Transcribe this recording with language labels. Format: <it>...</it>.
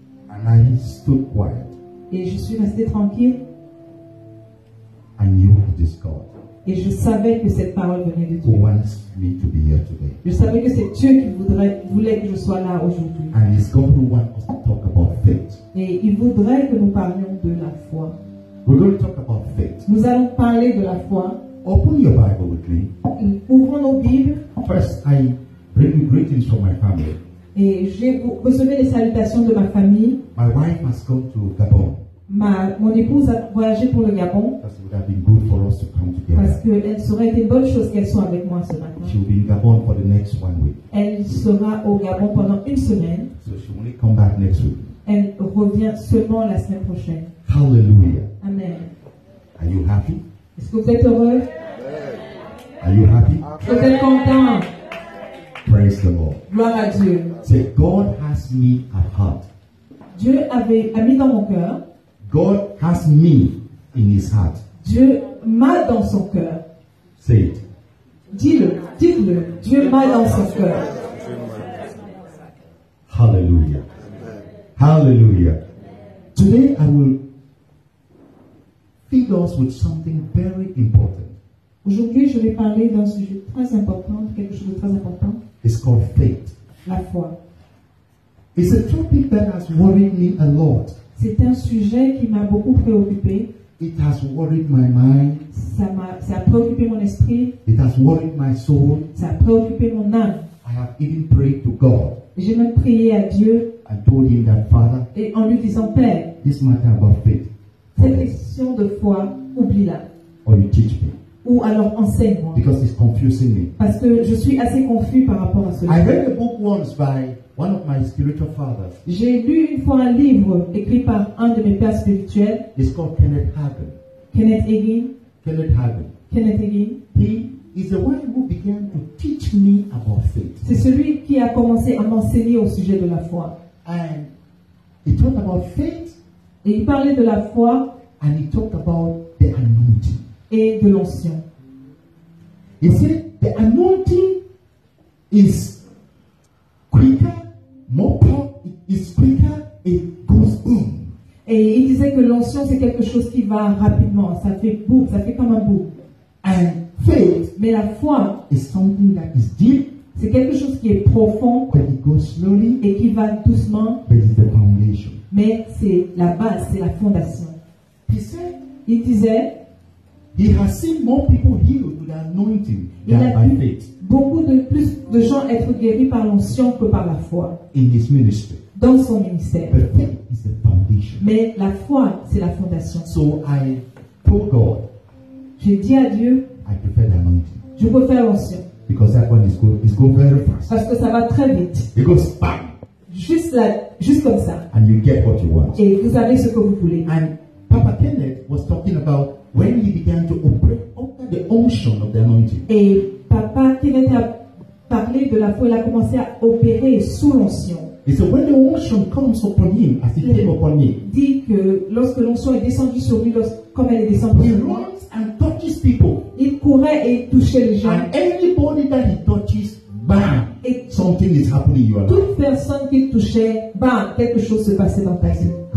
<en>And I stood quiet.</en> <fr>Et je suis resté tranquille.</fr> <en>I knew this God.</en> <fr>Et je savais que cette parole venait de Dieu.</fr> <en>Who wants me to be here today?</en> <fr>Je savais que c'est Dieu qui voulait que je sois là aujourd'hui.</fr> <en>And it's God who wants us to talk about faith.</en> <fr>Et il voudrait que nous parlions de la foi.</fr> <en>We're going to talk about faith.</en> <fr>Nous allons parler de la foi.</fr> <en>Open your Bible with me.</en> <fr>Ouvrons nos Bibles.</fr> <en>First, I bring you greetings from my family.</en> <fr>Et j'ai reçu les salutations de ma famille.</fr> <en>My wife has come to Gabon.</en> <fr>Mon épouse a voyagé pour le Gabon.</fr> <en>Because it would have been good for us to come together.</en> <fr>Parce que elle serait une bonne chose qu'elle soit avec moi ce matin.</fr> <en>She will be in Gabon for the next 1 week.</en> <fr>Elle sera au Gabon pendant une semaine.</fr> <en>So she will only come back next week.</en> <fr>Elle revient seulement la semaine prochaine. Hallelujah. Amen.</fr> <en>Are you happy?</en> <fr>Est-ce que vous êtes heureux?</fr> <en>Are you happy?</en> <fr>Vous êtes content?</fr> <en>Praise the Lord.</en> <fr>Gloire à Dieu.</fr> <en>Say, God has me at heart.</en> <fr>Dieu a mis dans mon cœur.</fr> <en>God has me in his heart.</en> <fr>Dieu m'a dans son cœur.</fr> <en>Say it.</en> <fr>Dites-le. Dieu m'a dans son cœur. Hallelujah. Hallelujah.</fr> <en>Today I will feed us with something very important.</en> <fr>Aujourd'hui, je vais parler d'un sujet très important, quelque chose de très important.</fr> <en>It's called faith.</en> <fr>La foi.</fr> <en>It's a topic that has worried me a lot.</en> <fr>C'est un sujet qui m'a beaucoup préoccupé.</fr> <en>It has worried my mind.</en> <fr>Ça a préoccupé mon esprit.</fr> <en>It has worried my soul.</en> <fr>Ça a préoccupé mon âme.</fr> <en>I have even prayed to God.</en> <fr>J'ai même prié à Dieu.</fr> <en>I told him that, Father,</en> <fr>et en lui disant, Père,</fr> <en>this matter about faith,</en> <fr>cette question de foi, oublie-la.</fr> <en>Or you teach me.</en> <fr>Ou alors enseigne-moi.</fr> <en>Because it's confusing me.</en> <fr>Parce que je suis assez confus par rapport à ce</fr> <en>sujet. I read a book once by one of my spiritual fathers.</en> <fr>J'ai lu une fois un livre écrit par un de mes pères spirituels.</fr> <en>It's called Kenneth Hagin. Kenneth Hagin. Kenneth Hagin. Kenneth Hagin. He is the one who began to teach me about faith.</en> <fr>C'est celui qui a commencé à m'enseigner au sujet de la foi.</fr> <en>And he talked about faith.</en> <fr>Et il parlait de la foi.</fr> <en>And he talked about the anointing.</en> <fr>Et de l'ancien.</fr> <en>He said the anointing is quicker, more power, it's quicker, it goes boom.</en> <fr>Et il disait que l'onction c'est quelque chose qui va rapidement, ça fait boum, ça fait comme un boum.</fr> <en>And faith,</en> <fr>mais la foi,</fr> <en>is something that is deep,</en> <fr>c'est quelque chose qui est profond,</fr> <en>but it goes slowly,</en> <fr>et qui va doucement,</fr> <en>but it's the foundation.</en> <fr>Mais c'est la base, c'est la fondation.</fr> <en>He said,</en> <fr>il disait,</fr> <en>he has seen more people healed with the anointing than by faith.</en> <fr>Beaucoup de plus de gens être guéris par l'onction que par la foi.</fr> <en>In his ministry.</en> <fr>Dans son ministère.</fr> <en>But faith is the foundation.</en> <fr>Mais la foi, c'est la fondation.</fr> <en>So I told God.</en> <fr>J'ai dit à Dieu.</fr> <en>I prefer the anointing.</en> <fr>Je préfère l'ancien.</fr> <en>Because that one is going, very fast.</en> <fr>Parce que ça va très vite.</fr> <en>It goes bam.</en> <fr>Juste là, juste comme ça.</fr> <en>And you get what you want.</en> <fr>Et vous avez ce que vous voulez.</fr> <en>And Papa Kenneth was talking about when he began to operate under the unction of the anointing.</en> <fr>Et Papa Kenneth a parlé de la foi. Il a commencé à opérer sous l'onction.</fr> <en>He said when the unction comes upon him, as he came upon him.</en> <fr>Dit que lorsque l'onction est descendue sur lui, comme elle est descendue.</fr> <en>He runs and touches people.</en> <fr>Il courait et touchait les gens.</fr> <en>And anybody that he touches, bam.</en> <fr>Et</fr> <en>something is happening in your life.</en> <fr>Toute personne qu'il touchait, bam, quelque chose se passait dans ta vie.</fr>